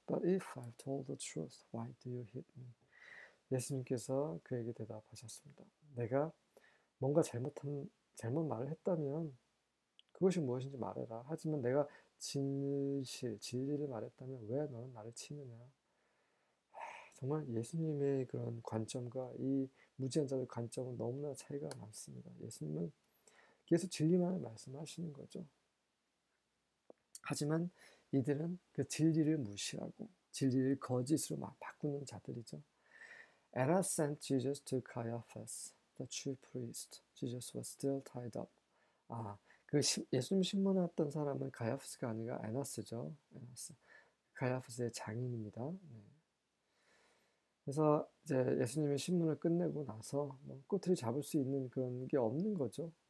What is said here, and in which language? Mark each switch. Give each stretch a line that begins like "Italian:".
English: But if I've told the truth, why do you hit me?
Korean: 예수님께서 그에게 대답하셨습니다. 내가 뭔가 잘못 말을 했다면 그것이 무엇인지 말해라. 하지만 내가 진리를 말했다면 왜 너는 나를 치느냐? 정말 예수님의 그런 관점과 이 무지한 자들 관점은 너무나 차이가 많습니다. 예수님은 계속 진리만을 말씀하시는 거죠. 하지만 이들은 그 진리를 무시하고 진리를 거짓으로 막 바꾸는 자들이죠.
English: Anna sent Jesus to Caiaphas, the chief priest. Jesus was still tied up.
Korean: 예수님 신문했던 사람은 가야프스가 아니라 에나스죠. 에나스. 가야프스의 장인입니다. 그래서 이제 예수님의 신문을 끝내고 나서 뭐 꼬투리 잡을 수 있는 그런 게 없는 거죠.